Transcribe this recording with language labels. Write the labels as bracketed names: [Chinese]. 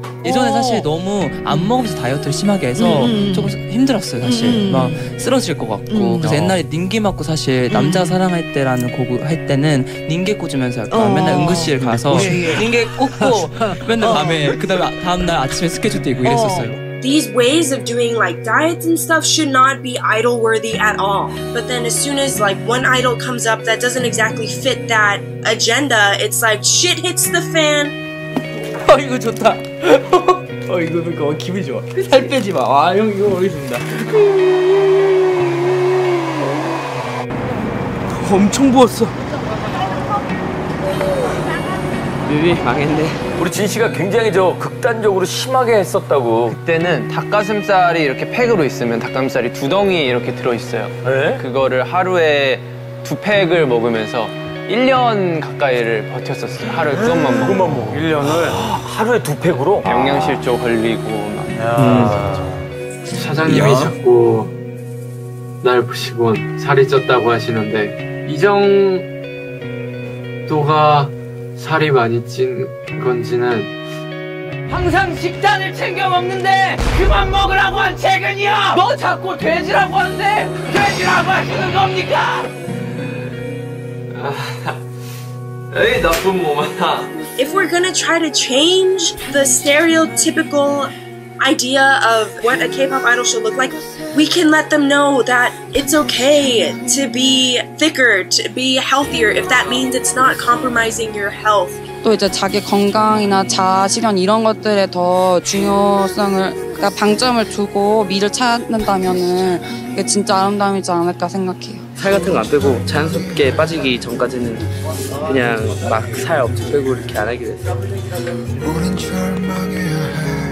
[Korean] 예전에 사실 너무 안 먹으면서 다이어트를 심하게 해서 조금 힘들었어요. 사실 막 쓰러질 것 같고 그래서 옛날에 닌게 맞고 사실 남자 사랑할 때라는 곡을 할 때는 닌게 꽂으면서 약간 맨날 응급실 가서 닌게 꽂고 맨날 밤에 그다음에 다음날 아침에 스케줄도 입고 이랬었어요. [English] these ways of doing like diets and stuff should not be idol worthy at all. But then as soon as like one idol comes up that doesn't exactly fit that agenda, it's like shit hits the fan. [Korean] 아 이거 좋다. 어 이거 그거 기분 좋아. 살 빼지 마. 아 형 이거 모르겠습니다. 엄청 부었어. 뮤비 망했네. 우리 진 씨가 굉장히 저 극단적으로 심하게 했었다고. 그때는 닭가슴살이 이렇게 팩으로 있으면 닭가슴살이 두 덩이 이렇게 들어있어요. 에? 그거를 하루에 두 팩을 먹으면서 1년 가까이를 버텼었어요. 하루에 그것만 먹고. 그것만 먹고. 1년을? 하루에 두 팩으로? 영양실조 걸리고 막. 야. 사장님이 야. 자꾸 날 보시곤 살이 쪘다고 하시는데 이정도가 살이 많이 찐 건지는. 항상 식단을 챙겨 먹는데 그만 먹으라고 한 최근이야! 뭐 자꾸 돼지라고 하는데 돼지라고 하시는 겁니까? 에이 나쁜 몸아. [English] If we're gonna try to change the stereotypical idea of what a K-pop idol should look like, we can let them know that it's okay to be thicker, to be healthier, if that means it's not compromising your health. [Korean] 또 이제 자기 건강이나 자아실현 이런 것들에 더 중요성을, 그러니까 방점을 두고 미를 찾는다면은 이게 진짜 아름다움이지 않을까 생각해요. 살 같은 거 안 빼고 자연스럽게 빠지기 전까지는 그냥 막 살 엄청 빼고 이렇게 안 하기로 했어요.